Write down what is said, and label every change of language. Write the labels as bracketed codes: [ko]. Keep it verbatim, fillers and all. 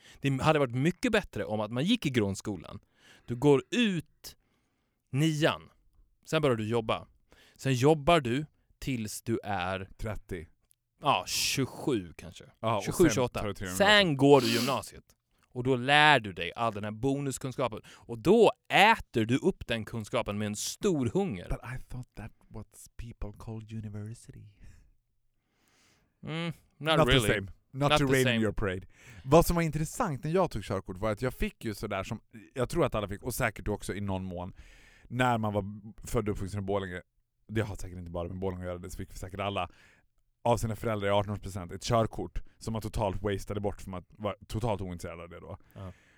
[sv] Det hade varit mycket bättre om att man gick i grundskolan. Du går ut nian, sen börjar du jobba. Sen jobbar du tills du är trettio. Ja, tjugosju kanske. Ja, tjugosju tjugoåtta. Sen går du gymnasiet. Och då lär du dig all den här bonuskunskapen. Och då äter du upp den kunskapen med en stor hunger. [en] But I thought that what people called university. Mm, not, not really. The same. Not, not to rain in your parade. [sv] Vad som var intressant när jag tog körkort var att jag fick ju sådär som, jag tror att alla fick, och säkert också i någon mån, när man var född och uppvuxen i Borlänge, det har säkert inte bara med Borlänge att göra, det fick säkert alla av sina föräldrar i arton årspresent ett körkort som man totalt wastade bort för man var totalt ointresserad av det då. Uh-huh.